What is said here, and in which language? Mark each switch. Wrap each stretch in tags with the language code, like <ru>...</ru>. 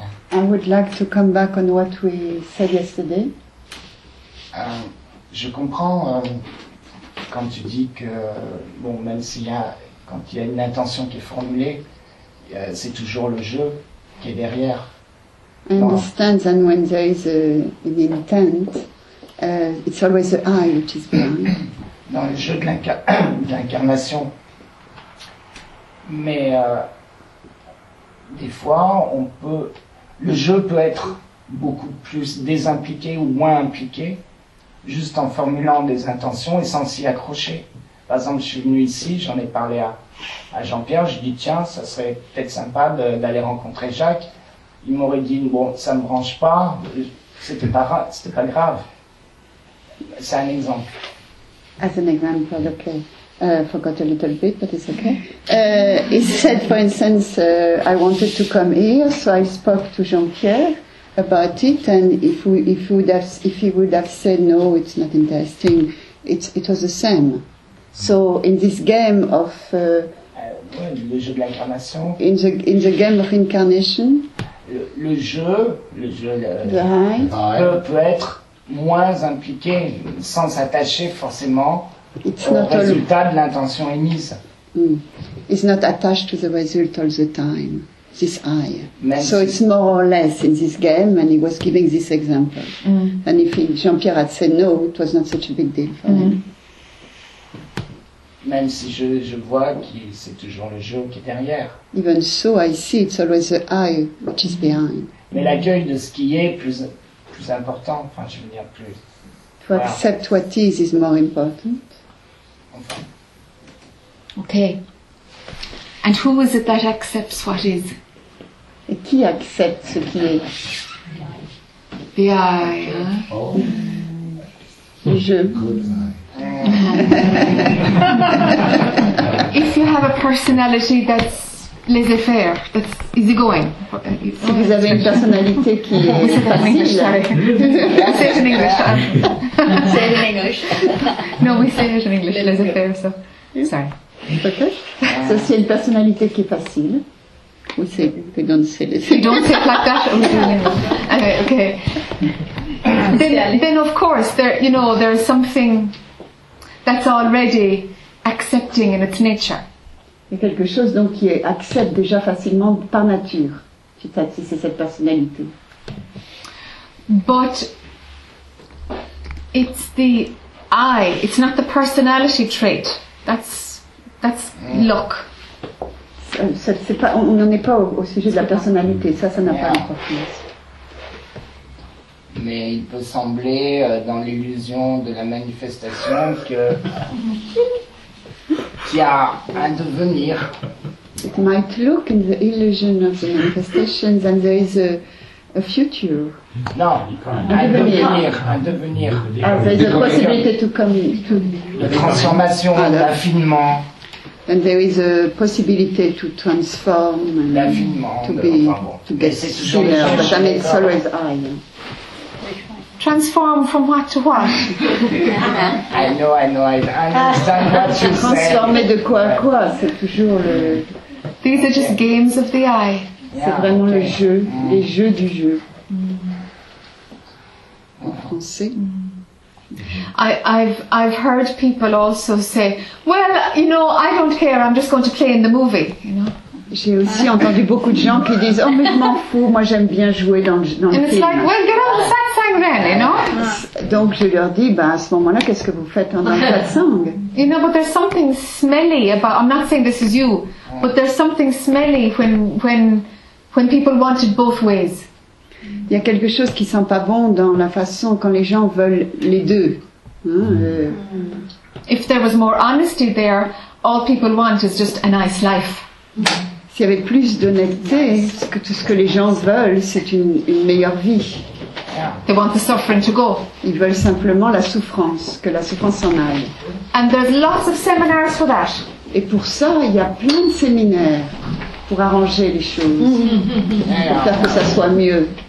<en>I would like to come back on what we said yesterday.</en> <fr>Je comprends quand tu dis que, bon, même s'il y a, quand il y a une intention qui est formulée, c'est toujours le jeu qui est derrière.</fr> <en>I understand that when there is an intent, it's always the I which is behind.</en> <fr>Dans le jeu de l'incarnation. Mais des fois, on peut, le jeu peut être beaucoup plus désimpliqué ou moins impliqué, juste en formulant des intentions et sans s'y accrocher. Par exemple, je suis venu ici, j'en ai parlé à Jean-Pierre, j'ai dit tiens, ça serait peut-être sympa d'aller rencontrer Jacques. Il m'aurait dit bon, ça me branche pas, c'était pas grave. C'est un exemple.</fr> <en>As an example, okay. Forgot a little bit, but it's okay. He said, for instance, I wanted to come here, so I spoke to Jean-Pierre about it, and if he would have said no, it's not interesting, it was the same. So in this game of in the game of incarnation,</en> <fr>le jeu peut être moins impliqué sans s'attacher forcément.</fr> <en>It's not</en> <fr>au résultat de l'intention émise.</fr> <en>It's not attached to the result all the time, this I.</en> <fr>Même</fr> <en>so</en> <fr>si</fr> <en>it's more or less in this game, and he was giving this example. Mm. And if Jean-Pierre had said no, it was not such a big deal for him.</en> <fr>Même si je vois que c'est toujours le jeu qui est derrière.</fr> <en>Even so, I see it's always the I which is behind.</en> <fr>Mais l'accueil de ce qui est plus important, enfin je veux dire plus...</fr> <en>To accept what is more important. Okay. And who is it that accepts what is?</en> <fr>Et qui accepte ce qui est?</fr> <en>The I. Oh.</en> <fr>Le je.</fr> <en>If you have a personality that's laissez-faire, that's easygoing.</en> <fr>Si vous avez une personnalité qui est facile.</fr> <en>Say it in English. Yeah. Say it in English. No, we say it in English, laissez-faire, so. Yeah. Sorry. Okay. So,</en> <fr>si une personnalité qui est facile,</fr> <en>we say, we don't say laissez-faire. You don't say like that? Okay. Then, of course, there's something that's already accepting in its nature.</en> <fr>Il y a quelque chose donc qui accepte déjà facilement par nature, si c'est cette personnalité.</fr> <en>But it's the I, it's not the personality trait. That's luck.</en> <fr>On n'en est pas au sujet de la personnalité, ça n'a pas d'importance. Mais il peut sembler dans l'illusion de la manifestation que... qui a un devenir.</fr> <en>It might look in the illusion of the manifestations and there is a future.</en> <fr>Non, un devenir.</fr> <en>Ah, there is a possibility to come to the transformation,</en> <fr>l'affinement.</fr> <en>And there is a possibility to transform and to be to get thinner, but I mean it's always I. Transform from what to what? I understand what you say.</en> <fr>Transformer de quoi à quoi, c'est toujours le...</fr> <en>These are just games of the eye.</en> <fr>Yeah, c'est vraiment okay. Le jeu, les jeux du jeu. En français.</fr> <en>I've heard people also say, well, you know, I don't care, I'm just going to play in the movie, you know.</en> <fr>J'ai aussi entendu beaucoup de gens qui disent « Oh, mais je m'en fous, moi j'aime bien jouer dans le film. »</fr> <en>It's like, well, get on the satsang then, you know?</en> <fr>Donc je leur dis, à ce moment-là, qu'est-ce que vous faites dans le satsang?</fr> <en>You know, but there's something smelly about, I'm not saying this is you, but there's something smelly when people want it both ways.</en> <fr>Il y a quelque chose qui sent pas bon dans la façon quand les gens veulent les deux.</fr> <en>If there was more honesty there, all people want is just a nice life.</en> <fr>S'il y avait plus d'honnêteté, tout ce que les gens veulent, c'est une meilleure vie.</fr> <en>Yeah. They want the suffering to go.</en> <fr>Ils veulent simplement la souffrance, que la souffrance s'en aille.</fr> <en>And there's lots of seminars for that.</en> <fr>Et pour ça, il y a plein de séminaires. pour arranger les choses, pour faire que ça soit mieux.</fr>